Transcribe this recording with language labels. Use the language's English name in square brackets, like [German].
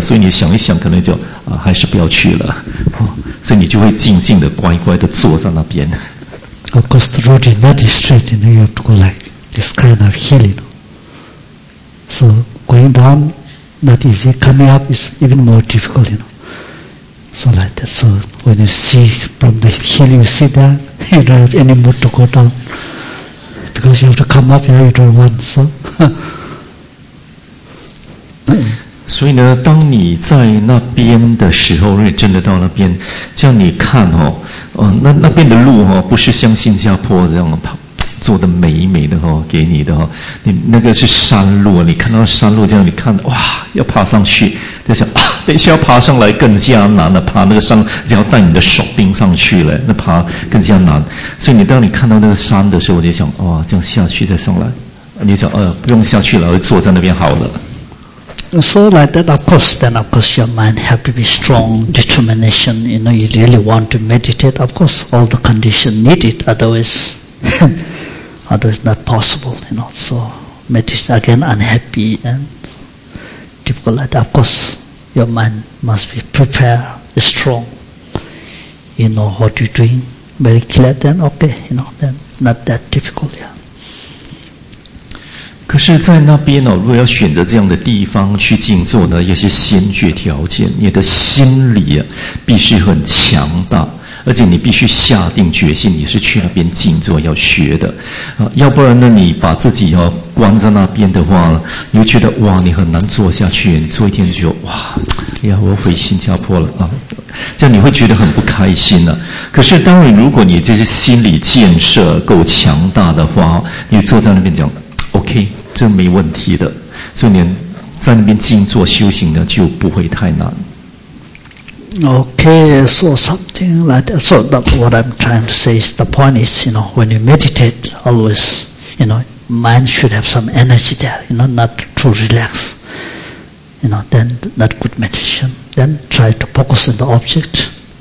[Chinese] 所以你想一想，可能就还是不要去了。所以你就会静静的乖乖的坐在那边。 [English] Of course, the road is not straight, and you have to go like this kind of hill. You know? So going down not easy, coming up is even more difficult. You know. So like that. So when you see from the hill, you see that you don't have any mood to go down because you have to come up. Yeah, you don't want so. [Chinese] 所以呢，当你在那边的时候，如果真的到那边，叫你看哦，那边的路哦，不是像新加坡这样跑。做的美美的哦，给你的哦，你那个是山路，你看到山路这样，你看哇，要爬上去，在想啊，等一下要爬上来更加难了，爬那个山，只要带你的手钉上去了，那爬更加难。所以你当你看到那个山的时候，你就想哇，这样下去再上来，你想不用下去了，我坐在那边好了。 [English] So like that, of course, your mind have to be strong, determination. You know, you really want to meditate. Of course, all the condition needed. Otherwise. Otherwise, not possible, you know. So, meditation again, unhappy and difficult like that. Of course, your mind must be prepared, strong. You know what you're doing, very clear, then okay, you know, then not that difficult, yeah. [Chinese] 可是，在那边哦，如果要选择这样的地方去静坐呢，有些先决条件，你的心理啊，必须很强大，而且你必须下定决心，你是去那边静坐要学的，要不然呢，你把自己哦关在那边的话，你会觉得哇，你很难坐下去，你坐一天就觉得哇，哎呀，我回新加坡了啊。这样你会觉得很不开心了、啊。可是，当然，如果你这些心理建设够强大的话，你坐在那边讲。 OK, 这没问题的。所以你在那边静坐修行呢，就不会太难。 [English] Okay, so something like that. So that what I'm trying to say is the point is, you know, when you meditate, always, you know, mind should have some energy there, you know, not to relax. You know, then not good meditation. Then try to focus on the object.